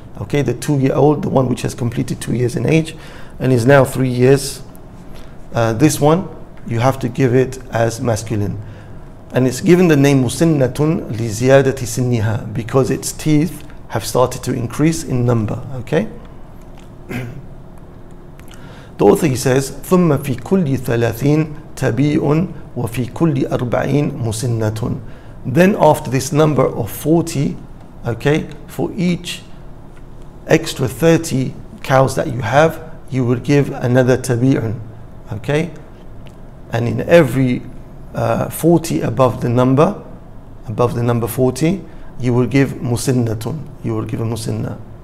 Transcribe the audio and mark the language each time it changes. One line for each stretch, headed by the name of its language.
English: Okay, the two-year-old, the one which has completed 2 years in age and is now 3 years, this one, you have to give it as masculine. And it's given the name
Arabic: مُسِنَّةٌ لِزِيَادَةِ سِنِّهَا,
English: because its teeth have started to increase in number, okay? The author, he says,
Arabic: ثُمَّ فِي كُلِّ ثَلَاثِينَ تَبِيعٌ وَفِي كُلِّ أَرْبَعِينَ مُسِنَّةٌ.
English: Then after this number of 40, okay, for each extra 30 cows that you have, you will give another tabi'un, okay? And in every 40 above the number 40, you will give musinnatun, you will give a musinna.